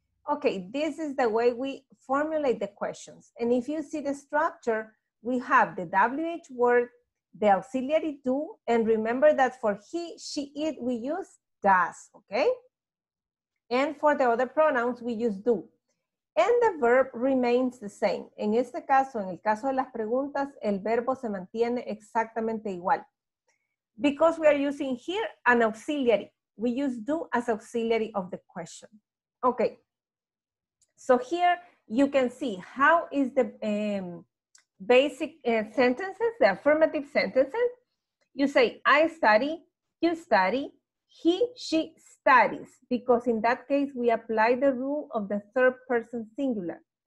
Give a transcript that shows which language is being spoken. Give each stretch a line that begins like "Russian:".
English: Okay, this is the way we formulate the questions. And if you see the structure, we have the WH word, the auxiliary do, and remember that for he, she, it, we use does, okay? And for the other pronouns, we use do. And the verb remains the same.
Spanish: En este caso, en el caso de las preguntas, el verbo se mantiene exactamente igual.
English: Because we are using here an auxiliary. We use do as auxiliary of the question. Okay. So here you can see how is the basic sentences, the affirmative sentences. You say, I study, you study, he, she studies, because in that case, we apply the rule of the third person singular.